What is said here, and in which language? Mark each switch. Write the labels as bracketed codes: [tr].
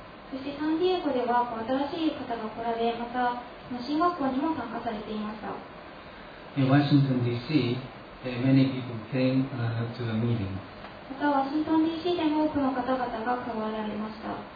[ja] そしてサンディエゴでは新しい方が来られ、また新学校にも参加されていました。 [en] In Washington, D.C., many people came to a meeting. [ja] またワシントン D.C. でも多くの方々が加わられました。